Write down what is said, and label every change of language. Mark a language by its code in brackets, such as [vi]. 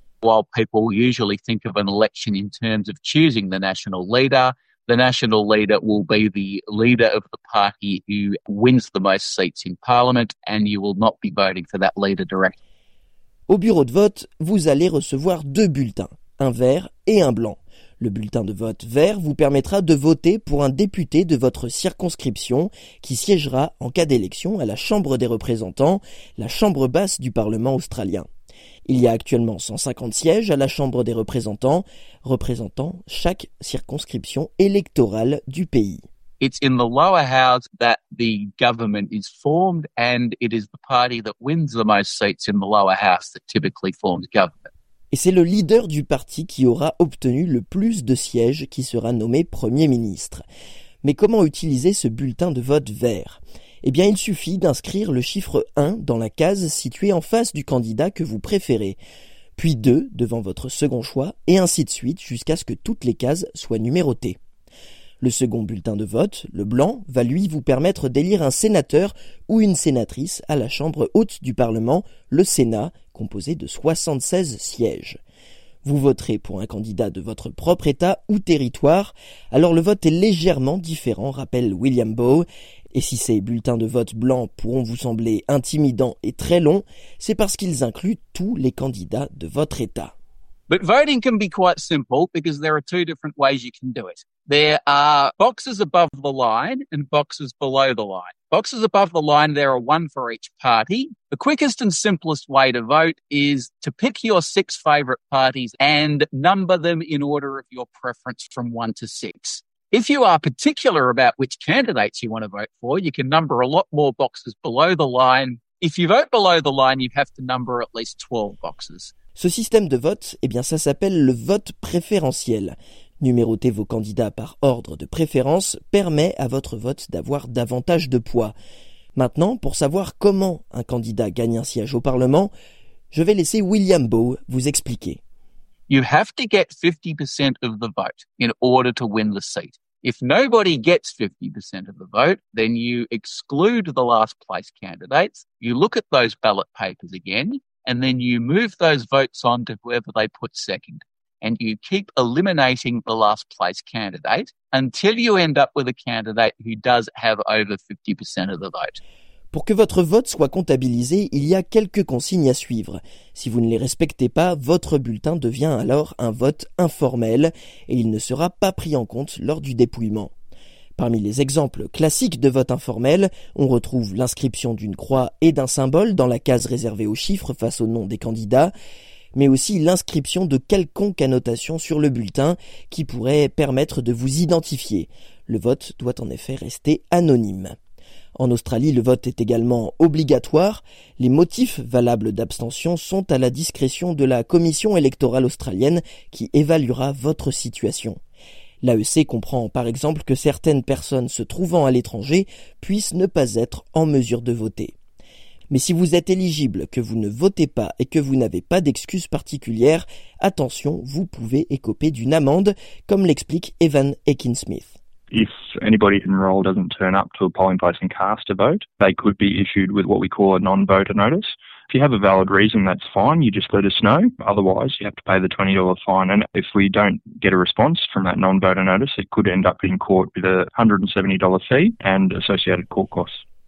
[en] While people usually think of an election in terms of choosing the national leader will be the leader of the party who wins the most seats in parliament, and you will not be voting for that leader directly. [fr] Au bureau de vote, vous allez recevoir deux bulletins, un vert et un blanc. Le bulletin de vote vert vous permettra de voter pour un député de votre circonscription qui siégera en cas d'élection à la Chambre des représentants, la chambre basse du Parlement australien. Il y a actuellement 150 sièges à la Chambre des représentants, représentant chaque circonscription électorale du pays. [en] It's in the lower house that the government is formed, and it is the party that wins the most seats in the lower house that typically forms government. [fr] Et c'est le leader du parti qui aura obtenu le plus de sièges qui sera nommé Premier ministre. Mais comment utiliser ce bulletin de vote vert ? Eh bien, il suffit d'inscrire le chiffre 1 dans la case située en face du candidat que vous préférez, puis 2 devant votre second choix, et ainsi de suite jusqu'à ce que toutes les cases soient numérotées. Le second bulletin de vote, le blanc, va lui vous permettre d'élire un sénateur ou une sénatrice à la chambre haute du Parlement, le Sénat, composé de 76 sièges. Vous voterez pour un candidat de votre propre état ou territoire, alors le vote est légèrement différent, rappelle William Bowe. Et si ces bulletins de vote blancs pourront vous sembler intimidants et très longs, c'est parce qu'ils incluent tous les candidats de votre état. [en] But voting can be quite simple because there are two different ways you can do it. There are boxes above the line and boxes below the line. Boxes above the line, there are one for each party. The quickest and simplest way to vote is to pick your six favorite parties and number them in order of your preference from one to six. If you are particular about which candidates you want to vote for, you can number a lot more boxes below the line. If you vote below the line, you have to number at least 12 boxes. [fr] Ce système de vote, eh bien ça s'appelle le vote préférentiel. Numéroter vos candidats par ordre de préférence permet à votre vote d'avoir davantage de poids. Maintenant, pour savoir comment un candidat gagne un siège au Parlement, je vais laisser William Bowe vous expliquer. [en] You have to get 50% of the vote in order to win the seat. If nobody gets 50% of the vote, then you exclude the last place candidates. You look at those ballot papers again. And then you move those votes on to whoever they put second. And you keep eliminating the last place candidate until you end up with a candidate who does have over 50% of the vote. [fr] Pour que votre vote soit comptabilisé, il y a quelques consignes à suivre. Si vous ne les respectez pas, votre bulletin devient alors un vote informel et il ne sera pas pris en compte lors du dépouillement. Parmi les exemples classiques de vote informel, on retrouve l'inscription d'une croix et d'un symbole dans la case réservée aux chiffres face au nom des candidats, mais aussi l'inscription de quelconque annotation sur le bulletin qui pourrait permettre de vous identifier. Le vote doit en effet rester anonyme. En Australie, le vote est également obligatoire. Les motifs valables d'abstention sont à la discrétion de la Commission électorale australienne qui évaluera votre situation. L'AEC comprend par exemple que certaines personnes se trouvant à l'étranger puissent ne pas être en mesure de voter. Mais si vous êtes éligible, que vous ne votez pas et que vous n'avez pas d'excuses particulières, attention, vous pouvez écoper d'une amende, comme l'explique Evan Akinsmith. [en] If anybody enrolled doesn't turn up to a polling place and cast a vote, they could be issued with what we call a non-voter notice. If you have a valid reason, that's fine. You just let us know. Otherwise, you have to pay the $20 fine. And if we don't get a response from that non-voter notice, it could end up in court with a $170 fee and associated court costs.